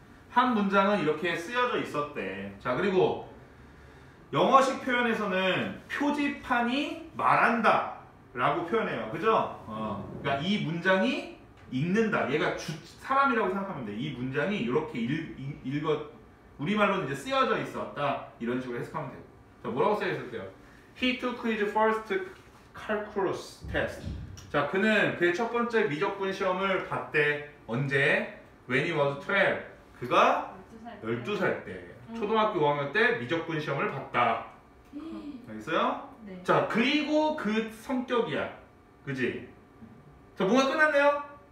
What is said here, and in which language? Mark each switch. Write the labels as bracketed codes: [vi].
[ko] 한 문장은 이렇게 쓰여져 있었대. 자, 그리고 영어식 표현에서는 표지판이 말한다 라고 표현해요. 그죠? 그러니까 이 문장이 읽는다. 얘가 사람이라고 생각하면 돼. 이 문장이 이렇게 읽어, 우리말로는 이제 쓰여져 있었다. 이런 식으로 해석하면 돼요. 자, 뭐라고 쓰여 있었대요? [en] He took his first calculus test. [ko] 자, 그는 그의 첫 번째 미적분 시험을 봤대. 언제? [en] When he was 12. [ko] 그가 12살 때. 초등학교 5학년 때 미적분 시험을 봤다. 알겠어요? 네. 자, 그리고 그 성격이야. 그지? 자, 뭔가 끝났네요?